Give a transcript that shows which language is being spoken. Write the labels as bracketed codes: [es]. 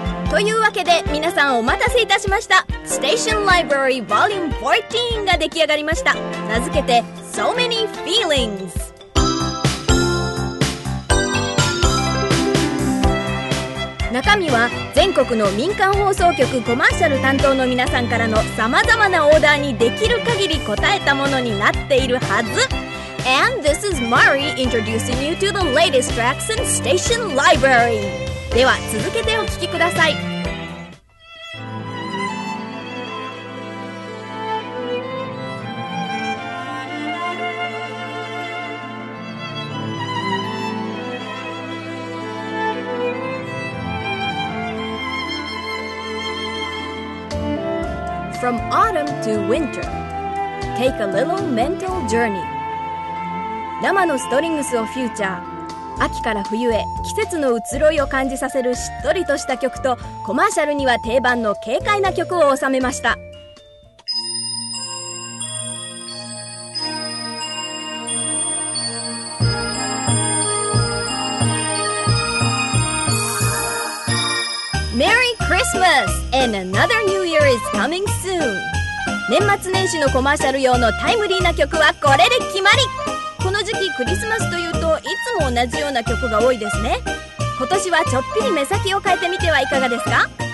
[ja] というわけで皆さんお待たせいたしました。Station Library Volume 14が出来上がりました。名付けて So Many Feelings。中身は全国の民間放送局コマーシャル担当の皆さんからの様々なオーダーにできる限り応えたものになっているはず。 [en] And this is Mari introducing you to the latest tracks in Station Library。 [ja] では続けてお聞きください。 [en] From autumn to winter, take a little mental journey. [ja] 生のストリングスをフューチャー。秋から冬へ、季節の移ろいを感じさせるしっとりとした曲と、コマーシャルには定番の軽快な曲を収めました。 [en] Merry Christmas and another new year is coming soon. [ja] 年末年始のコマーシャル用のタイムリーな曲はこれで決まり。この時期クリスマスというといつも同じような曲が多いですね。今年はちょっぴり目先を変えてみてはいかがですか？